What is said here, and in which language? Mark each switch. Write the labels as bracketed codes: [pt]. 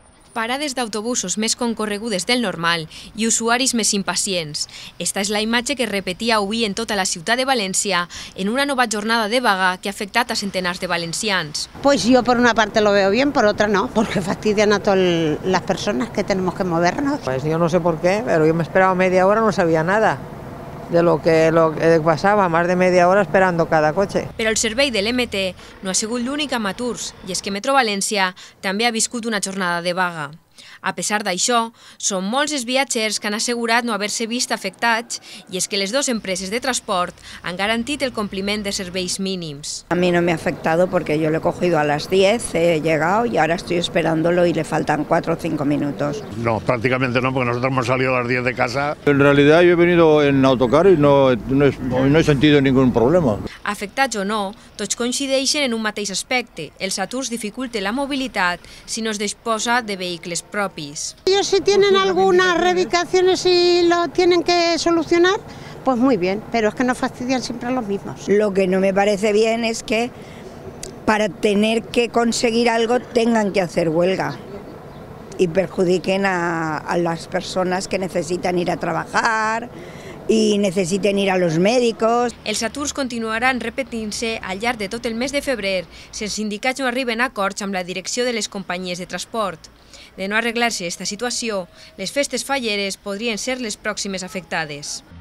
[ca] Parades d'autobusos més concorregudes del normal i usuaris més impacients. Esta és la imatge que repetia avui en tota la ciutat de València en una nova jornada de vaga que ha afectat a centenars de valencians. [es] Pues yo por una parte lo veo bien, por otra no, porque fastidian a todas las personas que tenemos que movernos. Pues yo no sé por qué, pero yo me esperaba media hora, no sabía nada de lo que [ca] passava, més [es] de media hora esperando cada [ca] cotxe. Però el servei de l'EMT no ha sigut l'únic amb aturs, i és que Metro València també ha viscut una jornada de vaga. A pesar d'això, són molts els viatgers que han assegurat no haver-se vist afectats, i és que les dues empreses de transport han garantit el compliment de serveis mínims. [es] A mi no me ha afectado porque yo lo he cogido a las 10, he llegado y ahora estoy esperándolo y le faltan 4 o 5 minutos. No, prácticamente no, porque nosotros hemos salido a las 10 de casa. En realidad yo he venido en autocar y no he sentido ningún problema. [ca] Afectats o no, tots coincideixen en un mateix aspecte. Els aturs dificulten la mobilitat si no es disposa de vehicles propis. [es] Ellos si tienen algunas reivindicaciones y lo tienen que solucionar, pues muy bien, pero es que nos fastidian siempre los mismos. Lo que no me parece bien es que para tener que conseguir algo tengan que hacer huelga y perjudiquen a las personas que necesitan ir a trabajar y necesiten ir a los médicos. [ca] Els aturs continuaran repetint-se al llarg de tot el mes de febrer si els sindicats no arriben a acords amb la direcció de les companyies de transport. De no arreglar-se aquesta situació, les festes falleres podrien ser les pròximes afectades.